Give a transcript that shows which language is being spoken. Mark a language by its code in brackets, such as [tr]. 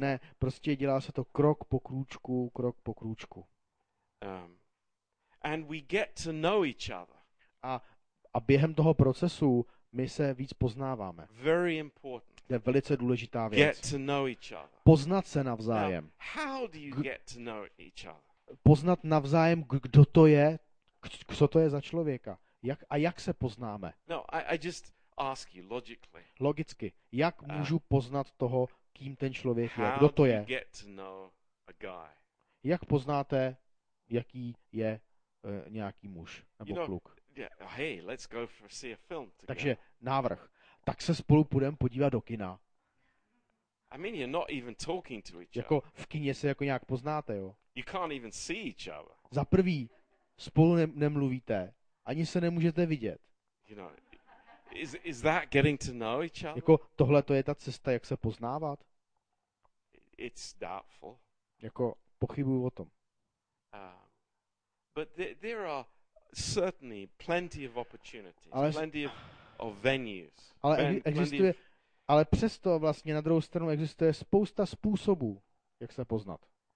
[cs] Ne, prostě dělá se to krok po krůčku, krok po krůčku. [en] And we get to know each other. [cs] A během toho procesu my se víc poznáváme. [en] Very important. [cs] To je velice důležitá věc. [en] Get to know each other. [cs] Poznat se navzájem. [en] Now, how do you get to know each other? [cs] Poznat navzájem, kdo to je, co to je za člověka. Jak, a jak se poznáme? [en] No, I just ask you logically. [cs] Logicky. Jak můžu poznat toho, kým ten člověk je? Kdo to je? [en] How do you get to know a guy? [cs] Jak poznáte, jaký je nějaký muž nebo kluk? [en] You know, Yeah, hey, let's go for see a film together. [cs] Takže návrh. Tak se spolu půjdeme podívat do kina. [en] I mean, you're not even talking to each other. [cs] Jako v kině se jako nějak poznáte, jo. [en] You can't even see each other. [cs] Za prvý, spolu nemluvíte, ani se nemůžete vidět. [en] You know, is that getting to know each other? [cs] Jako tohle to je ta cesta, jak se poznávat? [en] It's doubtful. [cs] Jako pochybuju o tom. [en] But there are certainly plenty of opportunities, ale plenty of venues. [cs] Ale existuje, ale přesto vlastně na druhou stranu existuje spousta způsobů, jak se poznat.